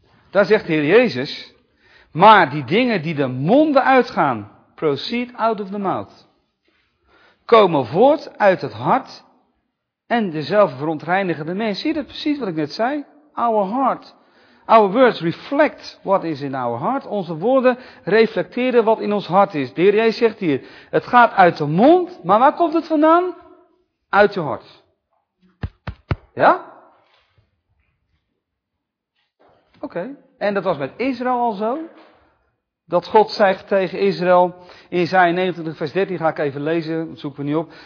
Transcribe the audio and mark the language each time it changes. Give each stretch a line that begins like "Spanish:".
Dutch: Daar zegt de Heer Jezus. Maar die dingen die de monden uitgaan,
English: proceed out of the mouth,
Dutch: komen voort uit het hart en dezelfde verontreinigen de mens. Zie je dat precies wat ik net zei?
English: Our heart. Our words reflect what is in our heart.
Dutch: Onze woorden reflecteren wat in ons hart is. De Heer Jezus zegt hier, het gaat uit de mond, maar waar komt het vandaan? Uit je hart. Ja? Oké. En dat was met Israël al zo. Dat God zegt tegen Israël, in Jesaja 29 vers 13 ga ik even lezen, dat zoeken we niet op.